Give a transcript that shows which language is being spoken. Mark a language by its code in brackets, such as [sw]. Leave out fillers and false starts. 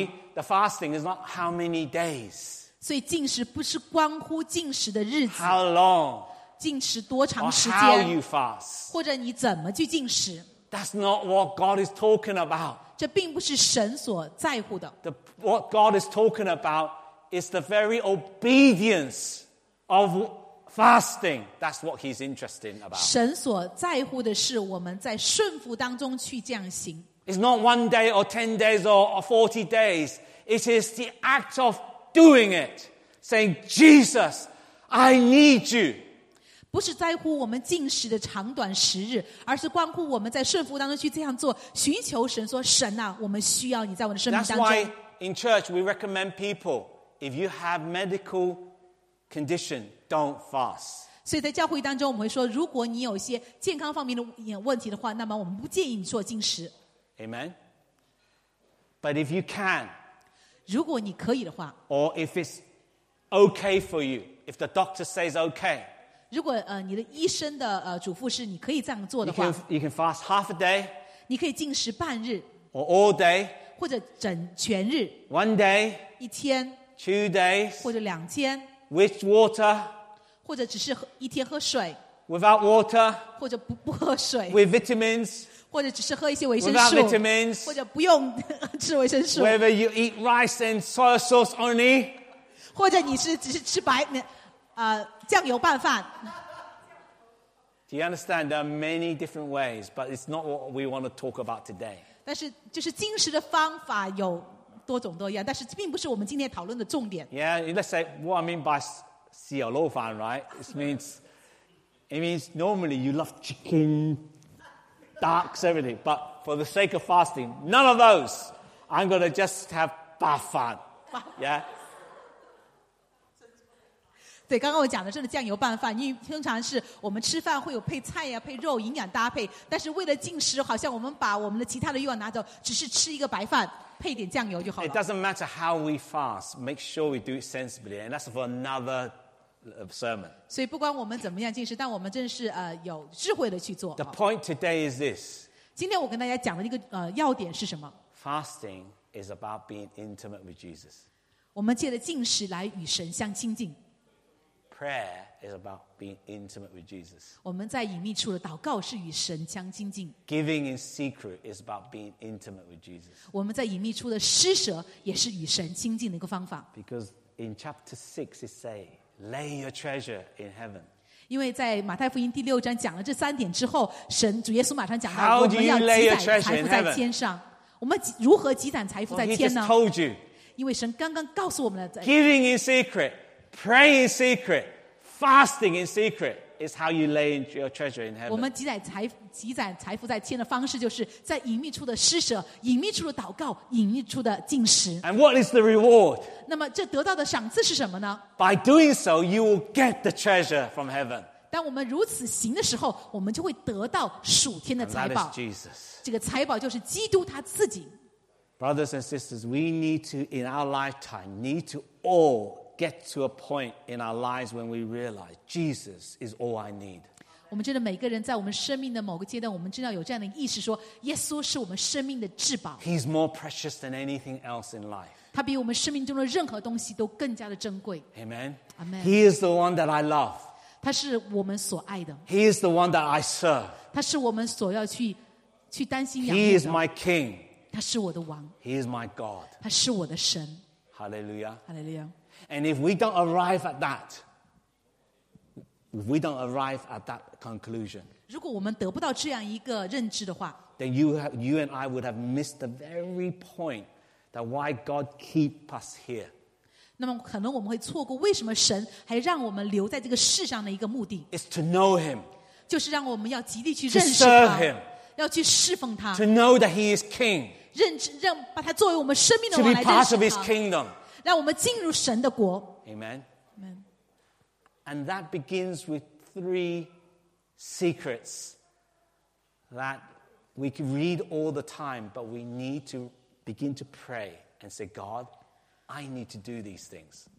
[en] You see, the fasting is not how many days. [zh] 所以禁食不是关乎禁食的日子。 [en] How long? [zh] 禁食多长时间 [en] or how you fast. [zh] 或者你怎么去禁食 [en] That's not what God is talking about. [zh] 这并不是神所在乎的 [en] What God is talking about is the very obedience of fasting. That's what he's interested about. [zh] 神所在乎的是我们在顺服当中去这样行 [en] It's not one day or 10 days or 40 days. It is the act of doing it. Saying, Jesus, I need you. [zh] 不是在乎我们禁食的长短时日，而是关乎我们在顺服当中去这样做，寻求神说：“神啊，我们需要你在我的生命当中。” [en] That's why in church we recommend people if you have medical condition, don't fast. [zh] 所以在教会当中，我们会说，如果你有一些健康方面的问题的话，那么我们不建议你做禁食。 [en] Amen. But if you can, [zh] 如果你可以的话 [en] ，or if it's okay for you, if the doctor says okay. [zh] 如果你的医生的嘱咐是你可以这样做的话 [en] you can fast half a day [zh] 你可以禁食半日 [en] or all day [zh] 或者整全日 [en] one day [zh] 一天 [en] two days [zh] 或者两天 [en] with water [zh] 或者只是一天喝水 [en] without water [zh] 或者不喝水 [en] with vitamins [zh] 或者只是喝一些维生素 [en] without vitamins [zh] 或者不用吃维生素 [en] whether you eat rice and soy sauce only [zh] 或者你是只是吃白面酱油拌饭。 [en] Do you understand? There are many different ways, but it's not what we want to talk about today. [zh] 但是就是禁食的方法有多种多样，但是并不是我们今天讨论的重点。 [en] Yeah, let's say what I mean by 小肉饭 right? It means normally you love chicken, ducks, everything. But for the sake of fasting, none of those. I'm gonna just have 白饭 Yeah. [zh] 对，刚刚我讲的真的酱油拌饭，因为通常是我们吃饭会有配菜呀、啊、配肉，营养搭配。但是为了进食，好像我们把我们的其他的欲望拿走，只是吃一个白饭，配点酱油就好了。 [en] It doesn't matter how we fast, make sure we do it sensibly, and that's for another sermon. [zh] 所以不管我们怎么样进食，但我们真的是有智慧的去做。 [en] The point today is this. [zh] 今天我跟大家讲的一个要点是什么 [en] ？Fasting is about being intimate with Jesus. [zh] 我们借着进食来与神相亲近。 [en] Prayer is about being intimate with Jesus. [zh] 我们在隐秘处的祷告是与神相亲近。 [en] Giving in secret is about being intimate with Jesus. [zh] 我们在隐秘处的施舍也是与神亲近的一个方法。 [en] Because in chapter 6 it says, lay your treasure in heaven. [zh] 因为在马太福音第六章讲了这三点之后，神主耶稣马上讲到， [en] How do you lay your treasure in heaven? [zh] 我们要积攒财富在天上。我们如何积攒财富在天呢？ [en] Well, he just told you. [zh] 因为神刚刚告诉我们了。 [en] Giving in secret.Pray in secret, fasting in secret. is how you lay your treasure in heaven. [zh] 我们积攒财富在天的方式，就是在隐秘处的施舍，隐秘处的祷告，隐秘处的禁食。 [en] And what is the reward? [zh] 那么这得到的赏赐是什么呢？ [en] By doing so, you will get the treasure from heaven. [zh] 当我们如此行的时候，我们就会得到属天的财宝。 [en] And that is Jesus. [zh] 这个财宝就是基督他自己。 [en] Brothers and sisters, we need to, in our lifetime, need to all get to a point in our lives when we realize Jesus is all I need. [zh] 我们真的每个人在我们生命的某个阶段，我们真的要有这样的意识，说耶稣是我们生命的至宝。 [en] He's more precious than anything else in life. [zh] 他比我们生命中的任何东西都更加的珍贵。 [en] Amen. Amen. He is the one that I love. [zh] 他是我们所爱的。 [en] He is the one that I serve. [zh] 他是我们所要去担心仰慕的。 [en] He is my King. [zh] 他是我的王。 [en] He is my God. [zh] 他是我的神。 [en] Hallelujah. Hallelujah. And if we don't arrive at that, if we don't arrive at that conclusion, [zh] 如果我们得不到这样一个认知的话， [en] then you and I would have missed the very point that why God keep us here. [zh] 那么可能我们会错过为什么神还让我们留在这个世上的一个目的。 [en] It's to know Him. [zh] 就是让我们要极力去认识他。 [en] To serve Him. [zh] 要去侍奉他。 [en] To know that He is King. [zh] 让把他作为我们生命的王来认识他。 [en] To be part of His kingdom. [zh] 让我们进入神的国。 [en] Amen. Amen. And that begins with three secrets that we can read all the time, but we need to begin to pray and say, God, I need to do these things.